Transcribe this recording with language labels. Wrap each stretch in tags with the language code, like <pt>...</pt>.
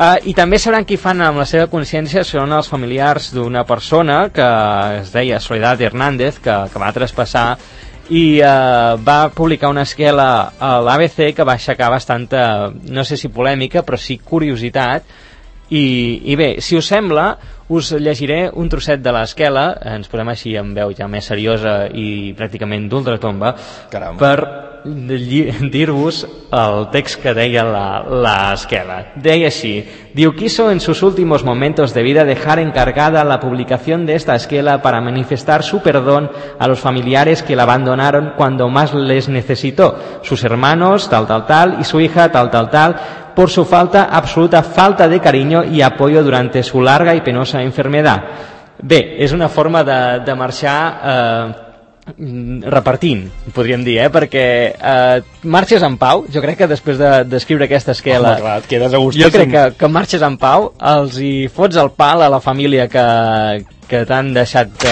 <ca>I també sabran qui fan amb la seva consciència són els familiars d'una persona que es deia Soledad Hernández, que va traspassar, i va publicar una esquela a l'ABC que va aixecar bastanta, no sé si polèmica, però sí curiositat. I bé, si us sembla, us llegiré un trosset de l'esquela, ens posem així en veu ja més seriosa i pràcticament d'ultratomba, per dir-vos el text que deia l'esquela. Deia així: diu,</ca> <es>quiso en sus últimos momentos de vida dejar encargada la publicación de esta esquela para manifestar su perdón a los familiares que la abandonaron cuando más les necesitó, sus hermanos, tal, tal, tal, y su hija, tal, tal, tal, por su falta, absoluta falta de cariño y apoyo durante su larga y penosa enfermedad.</es> <ca>Bé, és una forma de marxar repartint, podríem dir, perquè marxes en pau. Jo crec que després d'escriure aquesta esquela, home, clar, et quedes a gust. Jo crec que marxes en pau, els hi fots el pal a la família que t'han deixat...</ca>